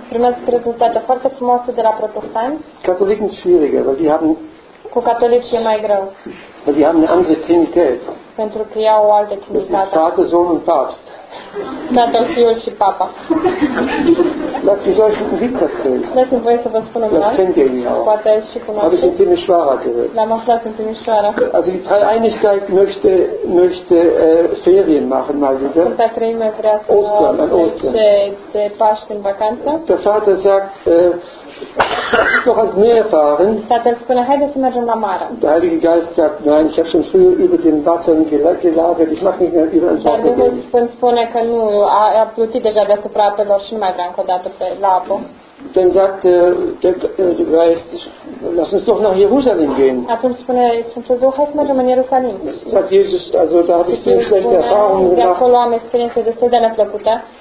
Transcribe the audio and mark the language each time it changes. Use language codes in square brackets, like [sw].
[ro] Primesc rezultate foarte frumoase de la protestanți. [de] Katholiken schwieriger, weil die haben. [ro] Cu catolicii e mai greu. [de] Weil die haben eine andere Trinität. [ro] Pentru că ei au o altă Trinitate. [de] Vater, Sohn und Papst. [ro] Tatăl, Fiul și Papa. [de] Lass mich euch ein Lied erzählen. Lass mich euch ein Lied erzählen. Das kennt ihr ihn ja auch. [ro] Poate și cunoaște. [de] Habe ich in Timișoara gehört. [ro] L-am aflat in Timișoara. [de] Also die Dreieinigkeit möchte Ferien machen mal wieder. [ro] Sfânta Treime vrea să merge de Paște în vacanță. [de] Der Vater sagt, lass doch ans Meer fahren. [ro] Tatăl spune, haide să mergem la mare. [de] Der Heilige Geist sagt, nein, ich habe schon früher über den Wassern gelagert, ich mache nicht mehr über ans Wasser gehen. [ro] Dar Dumnezeu spune că nu, a plutit deja deasupra apelor și nu mai vrea încă o dată pe apă. [de] Dann sagt der Geist, lass uns doch nach Jerusalem gehen. [ro] Atunci spune, Sfântul Duh, hai să mergem în Ierusalim. [de] Sagt Jesus, also da habe ich sehr schlechte Erfahrungen gemacht. [ro] De acolo am experiențe destul de neplăcute.